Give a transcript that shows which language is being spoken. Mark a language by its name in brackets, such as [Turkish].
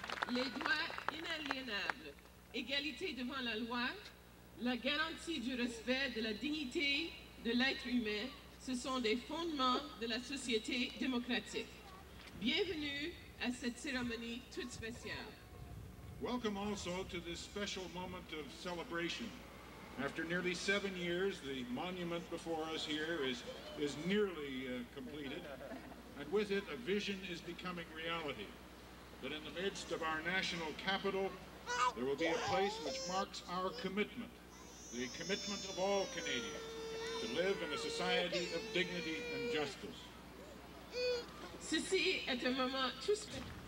[French] Les droits inaliénables, égalité devant la loi, la garantie du respect de la dignité de l'être humain, ce sont des fondements de la société démocratique. Bienvenue à cette cérémonie toute spéciale. [English] Welcome also to this special moment of celebration. After nearly 7 years, the monument before us here is nearly completed, and with it a vision is becoming reality. That in the midst of our national capital, there will be a place which marks our commitment, the commitment of all Canadians, to live in a society of dignity and justice. [French] Ceci est un moment tout spécial.